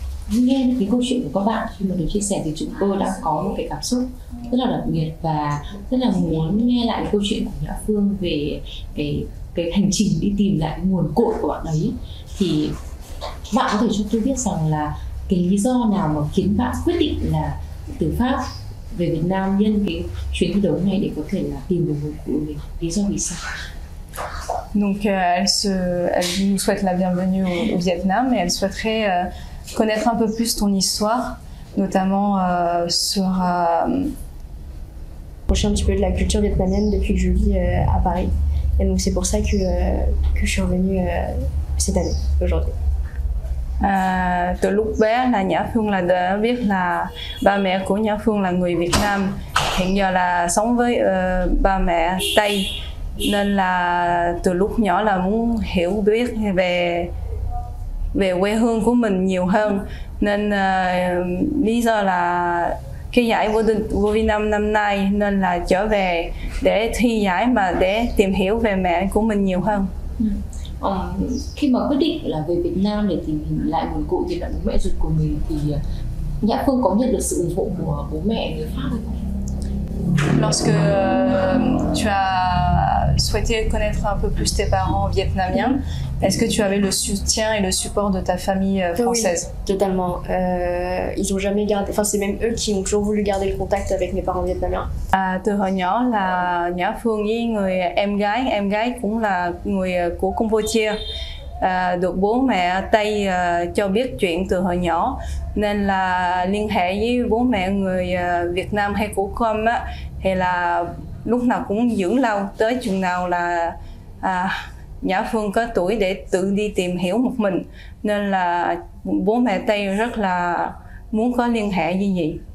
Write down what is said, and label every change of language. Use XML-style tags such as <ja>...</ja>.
<vi>Nghe cái câu chuyện của các bạn khi mà được chia sẻ thì chúng tôi đã có một cái cảm xúc rất là đặc biệt và rất là muốn nghe lại câu chuyện của Nhã Phương về cái hành trình đi tìm lại nguồn cội của bạn ấy. Thì bạn có thể cho tôi biết rằng là cái lý do nào mà khiến bạn quyết định là từ Pháp về Việt Nam nhân cái chuyến thi đấu này để có thể là tìm được nguồn cội của mình, lý do vì sao?</vi> <fr>Donc elle nous souhaite la bienvenue au Vietnam et elle souhaiterait connaître un peu plus ton histoire, notamment sur approcher un petit peu de la culture vietnamienne depuis que je vis à Paris. Et donc c'est pour ça que je suis revenue cette année, aujourd'hui.</fr> <vi>Từ lúc bé là Nhã Phương là đã biết là ba mẹ của Nhã Phương là người Việt Nam, hiện giờ là sống với ba mẹ Tây. Nên là từ lúc nhỏ là muốn hiểu biết về quê hương của mình nhiều hơn. Nên lý do là khi giải vô Việt Nam năm nay nên là trở về để thi giải mà để tìm hiểu về mẹ của mình nhiều hơn. Khi mà quyết định là về Việt Nam để tìm hiểu lại nguồn cội tìm lại bố mẹ ruột của mình thì Nhã Phương có nhận được sự ủng hộ của bố mẹ người Pháp không?</vi> <fr>Lorsque tu as souhaité connaître un peu plus tes parents vietnamiens, est-ce que tu avais le soutien et le support de ta famille française? Oui, totalement. Ils ont jamais gardé. Enfin, c'est même eux qui ont toujours voulu garder le contact avec mes parents vietnamiens.</fr> <vi>Từ hồi nhỏ là Nhã Phương với người em gái cũng là người của Campuchia. Được bố mẹ Tây cho biết chuyện từ hồi nhỏ nên là liên hệ với bố mẹ người Việt Nam hay của con á thì là lúc nào cũng giữ lâu tới chừng nào là Nhã Phương có tuổi để tự đi tìm hiểu một mình nên là bố mẹ Tây rất là muốn có liên hệ với gì</vi>